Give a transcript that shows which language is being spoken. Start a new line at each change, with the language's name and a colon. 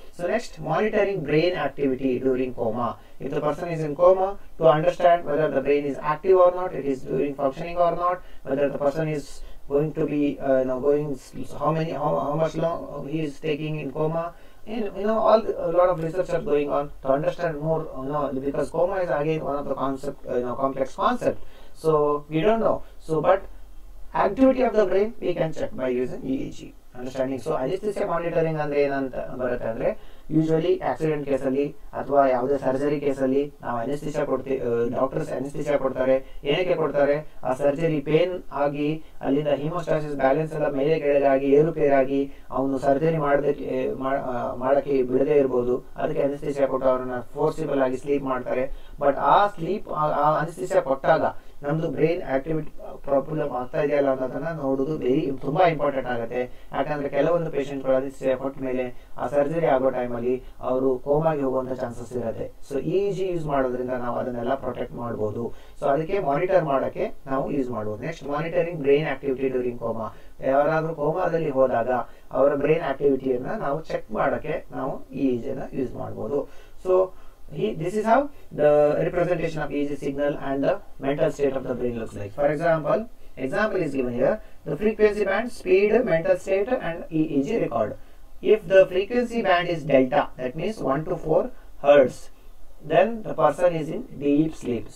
English: So, next, monitoring brain activity during coma. If the person is in coma, to understand whether the brain is active or not, it is doing functioning or not, whether the person is going to be, you know, going, how much long he is taking in coma, a lot of research are going on to understand more, you know, because coma is again one of the concept, you know, complex concept. So, we don't know. So, but activity of the brain, we can check by using EEG. Understanding.
Kannada: So ಅನಿಸ್ಥಿಸಿಯಾ monitoring ಅಂದ್ರೆ ಏನಂತ ಬರುತ್ತೆ ಅಂದ್ರೆ, usually accident ಕೇಸಲ್ಲಿ ಅಥವಾ ಯಾವುದೇ surgery ಕೇಸಲ್ಲಿ ನಾವು ಅನಿಸ್ಥಿಸಿಯಾ ಕೊಡ್ತೀವಿ, ಡಾಕ್ಟರ್ಸ್ ಅನಿಸ್ಥಿಸಿಯಾ ಕೊಡ್ತಾರೆ. ಏನಕ್ಕೆ ಕೊಡ್ತಾರೆ? ಆ ಸರ್ಜರಿ ಪೇನ್ ಆಗಿ ಅಲ್ಲಿಂದ ಹಿಮೋಸ್ಟಾಸಿಸ್ ಬ್ಯಾಲೆನ್ಸ್ ಎಲ್ಲ ಮೇಲೆ ಕೆಳಗಾಗಿ ಏರುಪೇರಾಗಿ ಅವನು ಸರ್ಜರಿ ಮಾಡೋಕ್ಕೆ ಬಿಡದೇ ಇರ್ಬೋದು, ಅದಕ್ಕೆ ಅನಿಸ್ಥಿಸಿಯಾ ಕೊಟ್ಟು ಅವ್ರನ್ನ ಫೋರ್ಸಿಬಲ್ ಆಗಿ ಸ್ಲೀಪ್ ಮಾಡ್ತಾರೆ. ಬಟ್ ಆ ಸ್ಲೀಪ್ ಆ ಅನಿಸ್ಥಿಸಿಯಾ ಕೊಟ್ಟಾಗ ನಮ್ದು ಬ್ರೈನ್ ಆಕ್ಟಿವಿಟಿ ಪ್ರಾಬ್ಲಮ್ ಆಗ್ತಾ ಇದೆಯಲ್ಲ ಅನ್ನೋದನ್ನ ನೋಡೋದು ವೆರಿ ತುಂಬಾ ಇಂಪಾರ್ಟೆಂಟ್ ಆಗುತ್ತೆ. ಯಾಕಂದ್ರೆ ಕೆಲವೊಂದು ಪೇಷೆಂಟ್ಗಳು ಅನಿಸ್ಥಿಸಿಯಾ ಕೊಟ್ಟ ಮೇಲೆ ಆ ಸರ್ಜರಿ ಆಗೋ ಟೈಮಲ್ಲಿ ಅವರು ಕೋಮಾಗಿ ಹೋಗುವಂಥ ಚಾನ್ಸಸ್ ಇರುತ್ತೆ. ಸೊ ಇಇಜಿ ಯೂಸ್ ಮಾಡೋದ್ರಿಂದ ನಾವು ಅದನ್ನೆಲ್ಲ ಪ್ರೊಟೆಕ್ಟ್ ಮಾಡ್ಬೋದು. ಸೊ ಅದಕ್ಕೆ ಮಾನಿಟರ್ ಮಾಡೋಕ್ಕೆ ನಾವು ಯೂಸ್ ಮಾಡ್ಬೋದು. Next, monitoring brain activity during coma. ಯಾರಾದರೂ ಕೋಮಾದಲ್ಲಿ ಹೋದಾಗ ಅವರ ಬ್ರೈನ್ ಆಕ್ಟಿವಿಟಿಯನ್ನು ನಾವು ಚೆಕ್ ಮಾಡೋಕ್ಕೆ ನಾವು ಇಇಜಿನ ಯೂಸ್ ಮಾಡ್ಬೋದು.
English: So this is how the representation of EEG signal and the mental state of the brain looks like. For example is given here, the frequency band, speed, mental state and EEG record. If the frequency band is delta, that means 1 to 4 hertz, then the person is in deep sleep.